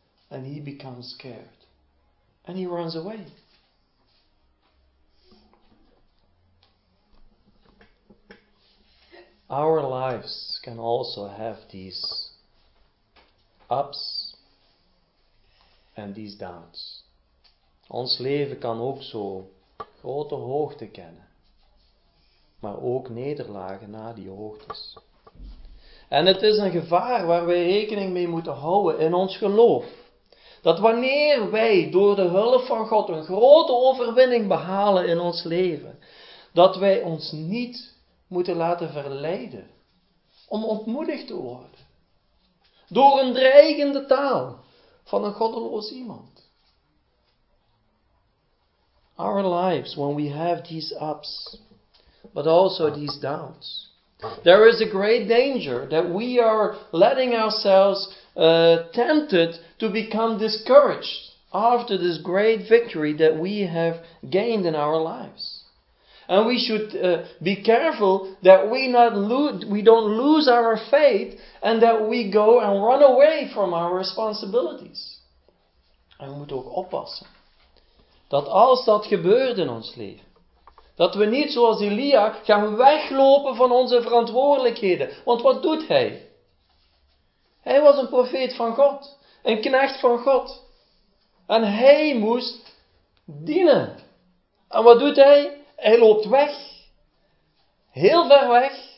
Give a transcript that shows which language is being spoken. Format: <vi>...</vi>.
<en>And he becomes scared. And he runs away. Our lives can also have these ups and these downs.</en> <nl>Ons leven kan ook zo grote hoogte kennen. Maar ook nederlagen na die hoogtes. En het is een gevaar waar wij rekening mee moeten houden in ons geloof. Dat wanneer wij door de hulp van God een grote overwinning behalen in ons leven, dat wij ons niet moeten laten verleiden om ontmoedigd te worden. Door een dreigende taal van een goddeloos iemand.</nl> <en>Our lives, when we have these ups, but also these downs. There is a great danger that we are letting ourselves tempted to become discouraged after this great victory that we have gained in our lives. And we should be careful that we don't lose our faith and that we go and run away from our responsibilities.</en> <nl>En we moeten ook oppassen dat als dat gebeurt in ons leven, dat we niet zoals Elia gaan weglopen van onze verantwoordelijkheden. Want wat doet hij? Hij was een profeet van God. Een knecht van God. En hij moest dienen. En wat doet hij? Hij loopt weg. Heel ver weg.</nl>